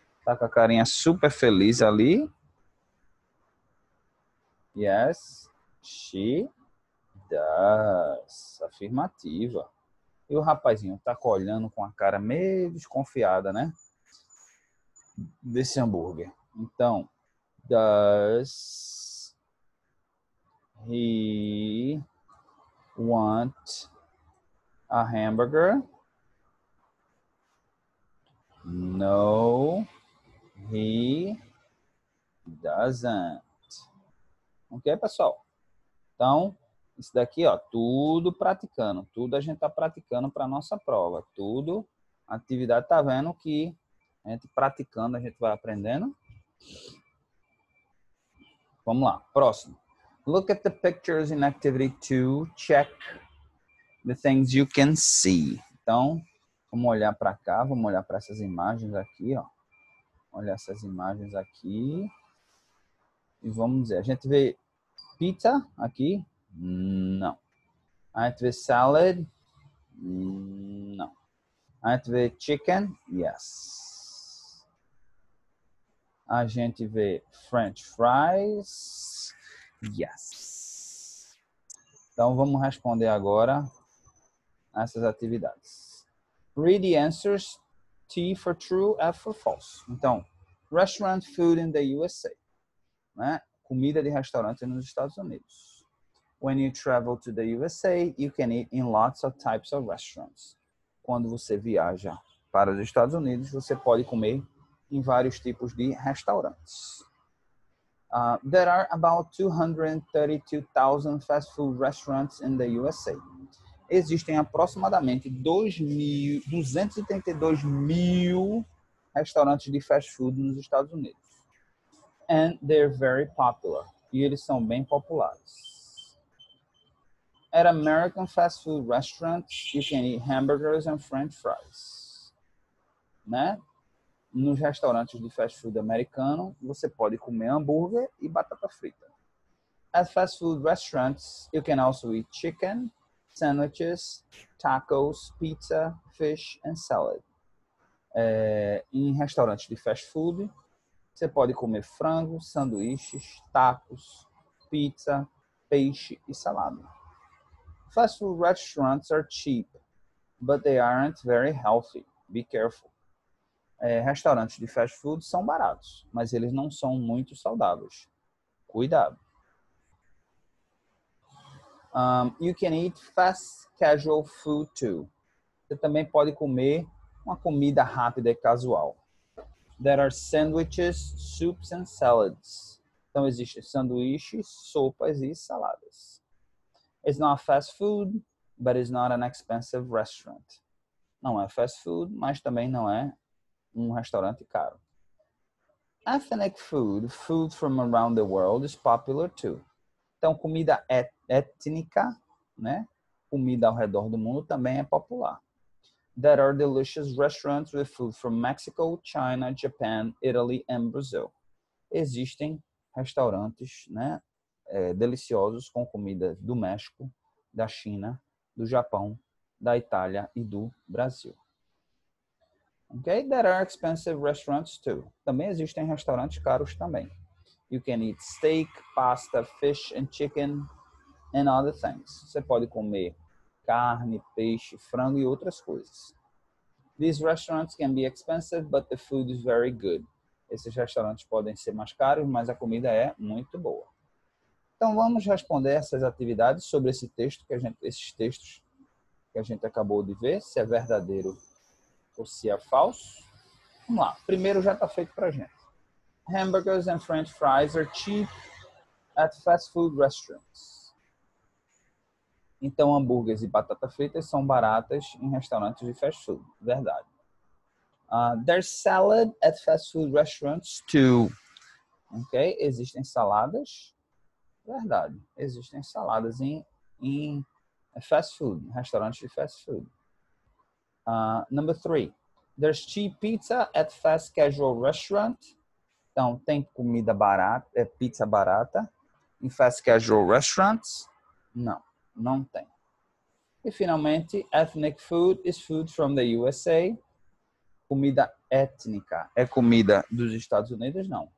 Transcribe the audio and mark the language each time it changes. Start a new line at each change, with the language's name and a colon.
Portuguese: Tá com a carinha super feliz ali.
English: Yes, she does.
Portuguese: Afirmativa. E o rapazinho tá olhando com a cara meio desconfiada, né? Desse hambúrguer.
English: Então, does he want a hamburger? No, he doesn't.
Portuguese: Ok, pessoal? Então, isso daqui, ó, tudo praticando, tudo a gente tá praticando para nossa prova, tudo. A atividade tá vendo que a gente praticando, a gente vai aprendendo. Vamos lá, próximo.
English: Look at the pictures in activity 2. Check the things you can see.
Portuguese: Então, vamos olhar para cá. Vamos olhar para essas imagens aqui, ó. Olha essas imagens aqui. E vamos ver. A gente vê pizza aqui? Não. A gente vê salad? Não. A gente vê chicken?
English: Yes.
Portuguese: A gente vê French fries?
English: Yes.
Portuguese: Então, vamos responder agora essas atividades.
English: Read the answers. T for true, F for false. Então, restaurant food in the USA. Né?
Portuguese: Comida de restaurante nos Estados Unidos.
English: When you travel to the USA, you can eat in lots of types of restaurants.
Portuguese: Quando você viaja para os Estados Unidos, você pode comer em vários tipos de restaurantes.
English: There are about 232,000 fast food restaurants in the USA.
Portuguese: Existem aproximadamente 232 mil restaurantes de fast food nos Estados Unidos.
English: And they're very popular.
Portuguese: E eles são bem populares.
English: At American fast food restaurants, you can eat hamburgers and french fries.
Portuguese: Né? Nos restaurantes de fast food americano, você pode comer hambúrguer e batata frita.
English: At fast food restaurants, you can also eat chicken, sandwiches, tacos, pizza, fish, and salad.
Portuguese: Em restaurantes de fast food, você pode comer frango, sanduíches, tacos, pizza, peixe e salada.
English: Fast food restaurants are cheap, but they aren't very healthy. Be careful.
Portuguese: Restaurantes de fast food são baratos, mas eles não são muito saudáveis. Cuidado.
English: You can eat fast casual food too.
Portuguese: Você também pode comer uma comida rápida e casual.
English: There are sandwiches, soups and salads.
Portuguese: Então existem sanduíches, sopas e saladas.
English: It's not fast food, but it's not an expensive restaurant.
Portuguese: Não é fast food, mas também não é um restaurante caro.
English: Ethnic food, food from around the world, is popular too.
Portuguese: Então, comida étnica, né? Comida ao redor do mundo também é popular.
English: There are delicious restaurants with food from Mexico, China, Japan, Italy, and Brazil.
Portuguese: Existem restaurantes, né? Deliciosos com comida do México, da China, do Japão, da Itália e do Brasil.
English: Okay, there are expensive restaurants too.
Portuguese: Também existem restaurantes caros também.
English: You can eat steak, pasta, fish and chicken and other things.
Portuguese: Você pode comer carne, peixe, frango e outras coisas.
English: These restaurants can be expensive, but the food is very good.
Portuguese: Esses restaurantes podem ser mais caros, mas a comida é muito boa. Então vamos responder essas atividades sobre esse texto que a gente, esses textos que a gente acabou de ver, se é verdadeiro ou se é falso. Vamos lá. Primeiro já está feito para a gente.
English: Hamburgers and French fries are cheap at fast food restaurants.
Portuguese: Então hambúrgueres e batata frita são baratas em restaurantes de fast food. Verdade.
English: There's salad at fast food restaurants too.
Portuguese: Ok? Existem saladas. Verdade. Existem saladas em fast food, restaurantes de fast food.
English: Number three. There's cheap pizza at fast casual restaurant.
Portuguese: Então, tem comida barata, pizza barata em fast casual restaurants? Não, não tem. E, finalmente,
English: ethnic food is food from the USA.
Portuguese: Comida étnica é comida dos Estados Unidos? Não.